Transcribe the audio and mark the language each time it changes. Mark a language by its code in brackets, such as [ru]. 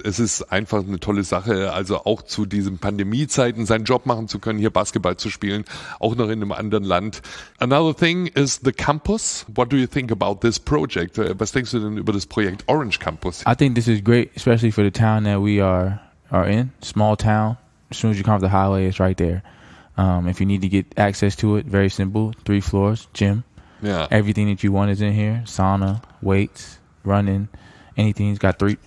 [de] Es ist einfach eine tolle Sache, also auch zu diesen Pandemiezeiten seinen Job machen zu können, hier Basketball zu spielen, auch noch in einem anderen Land. [en] Another thing is the campus. What do you think about this project? [de] Was denkst du denn über das Projekt Orange Campus? [en] I think this is great, especially for the town that we are in, small town. As soon as you come off the highway, it's right there. If you need to get access to it, very simple, 3 floors, gym. Yeah. Everything that you want is in here, sauna, weights, running, anything. He's got 3.